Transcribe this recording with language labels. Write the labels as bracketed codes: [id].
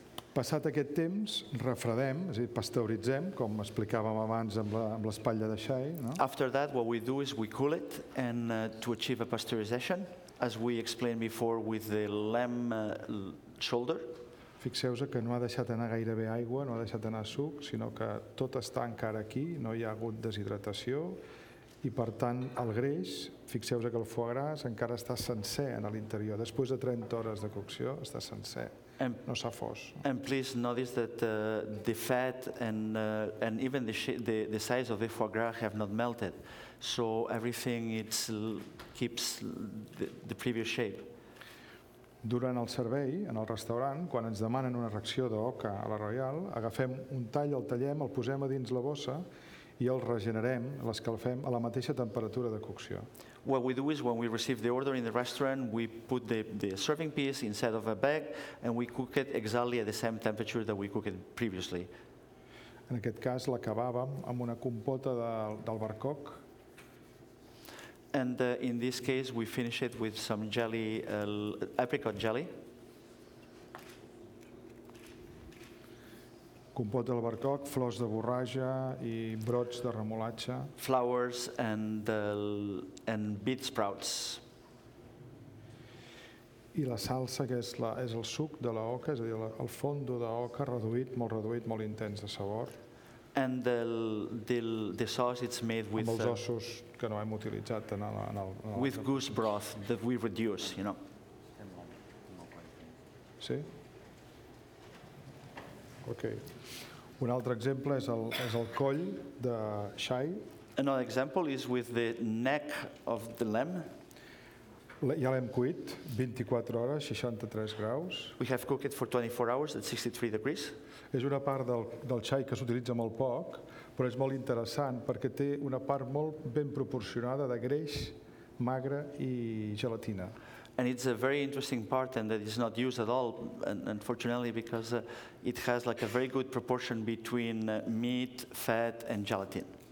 [ca] Passat aquest temps, refredem, és a dir, pasteuritzem, com explicàvem abans amb l'espatlla de xai. [en] After that, what we do is we cool it and to achieve a pasteurization, as we explained before with the lamb shoulder. [ca] Fixeu-vos que no ha deixat anar gairebé aigua, no ha deixat anar suc, sinó que tot està encara aquí, no hi ha hagut deshidratació, I per tant el greix, fixeu-vos que el foie gras encara està sencer a l'interior, després de 30 hores de cocció està sencer. [en] And please notice that the fat and even the size of the foie gras have not melted, so everything keeps the previous shape. [ca] Durant el servei, en el restaurant, quan ens demanen una reacció d'oca a la Royal, agafem un tall, el tallem, el posem a dins la bossa I el regenerem, l'escalfem a la mateixa temperatura de cocció. [en] What we do is when we receive the order in the restaurant, we put the serving piece inside of a bag and we cook it exactly at the same temperature that we cooked it previously. [ca] En aquest cas, l'acabàvem amb una compota d'albercoc. [en] And in this case, we finish it with some jelly, apricot jelly. [ca] Compot d'albercoc, flors de borratja I brots de remolatxa. [en] Flowers and beet sprouts. [ca] I la salsa, que és el suc de la oca, és a dir, el fondo de oca reduït, molt intens de sabor. [en] And the sauce it's made with [ca] amb els ossos que no hem utilitzat en el [en] with goose broth that we reduce, you know. [ca] Sí? [en] Okay. [ca] Un altre exemple és el coll de xai. [en] Another example is with the neck of the lamb. [ca] Ja l'hem cuit 24 hores, 63 graus. [en] We have cooked it for 24 hours at 63 degrees. [ca] És una part del xai que s'utilitza molt poc, però és molt interessant perquè té una part molt ben proporcionada de greix, magre I gelatina. [en] And it's a very interesting part and that is not used at all, and unfortunately, because it has like a very good proportion between meat, fat, and gelatin.